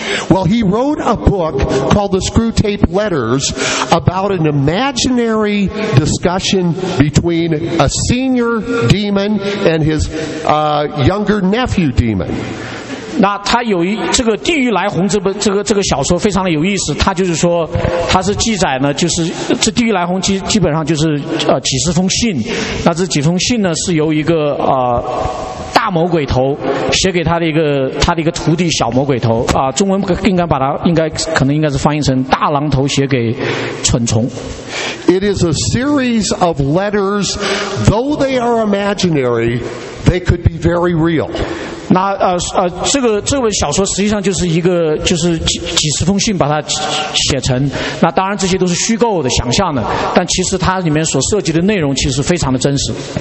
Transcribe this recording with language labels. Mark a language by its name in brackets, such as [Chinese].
[English] Well, he wrote a book called The Screwtape Letters about an imaginary discussion between a senior demon and his younger nephew demon. [Chinese] 那他有这个《地狱来鸿》这个小说非常的有意思，他就是说，他是记载呢，就是这《地狱来鸿》基本上就是几十封信，那这几封信呢是由一个大魔鬼头写给他的一个徒弟小魔鬼头中文应该是翻译成大狼头写给蠢虫。 [English] It is a series of letters, though they are imaginary, they could be very real. [Chinese] 那这本小说实际上就是一个就是几十封信把它写成，那当然这些都是虚构的想象的，但其实它里面所涉及的内容其实非常的真实。